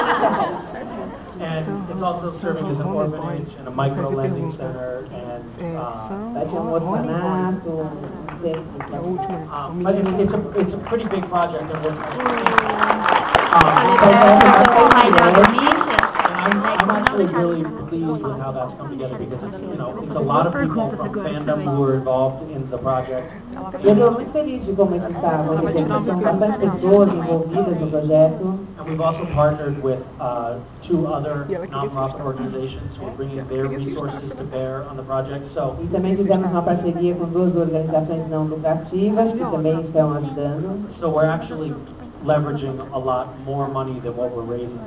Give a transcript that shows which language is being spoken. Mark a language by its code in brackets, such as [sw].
[en] And it's also serving as an orphanage and a micro lending center and it's a pretty big project and we're I'm actually really pleased with how that's come together because it's, you know, it's a lot of people from fandom who were involved in the project. [pt] Eu estou muito feliz de como isso está, por exemplo, são bastante pessoas envolvidas no projeto. [en] And we've also partnered with two other non-profit organizations who are bringing their resources to bear on the project. So. [pt] E também fizemos uma parceria com duas organizações não lucrativas que também estão ajudando. [en] So we're actually leveraging a lot more money than what we're raising.